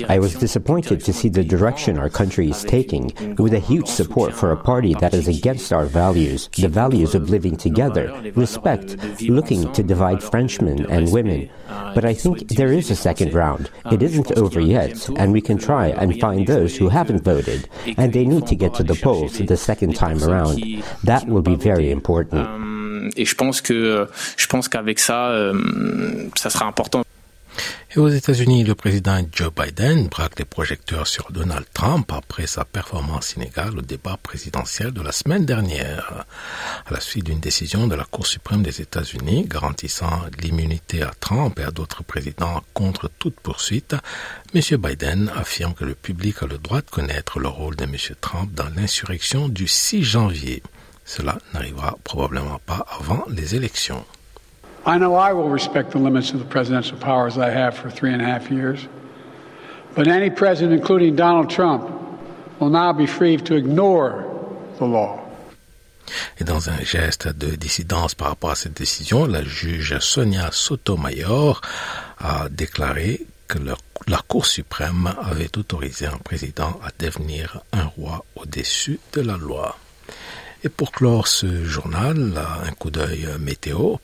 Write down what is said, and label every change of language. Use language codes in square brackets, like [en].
[en] I was disappointed to see the direction our country is taking, with a huge support for a party that is against our values, the values of living together, respect, looking to divide Frenchmen and women. But I think there is a second round. It isn't over yet, and we can try and find those who haven't voted, and they need to get to the polls the second time around. That will be very important. [fr] Et je pense qu'avec ça, ça sera important. Et aux États-Unis, le président Joe Biden braque les projecteurs sur Donald Trump après sa performance inégale au débat présidentiel de la semaine dernière. À la suite d'une décision de la Cour suprême des États-Unis garantissant l'immunité à Trump et à d'autres présidents contre toute poursuite, M. Biden affirme que le public a le droit de connaître le rôle de M. Trump dans l'insurrection du 6 janvier. Cela n'arrivera probablement pas avant les élections. [en] I know I will respect the limits of the presidential powers I have for 3.5 years. But any president, including Donald Trump, will now be free to ignore the law. [fr] Et dans un geste de dissidence par rapport à cette décision, la juge Sonia Sotomayor a déclaré que la Cour suprême avait autorisé un président à devenir un roi au-dessus de la loi. Et pour clore ce journal, un coup d'œil météo.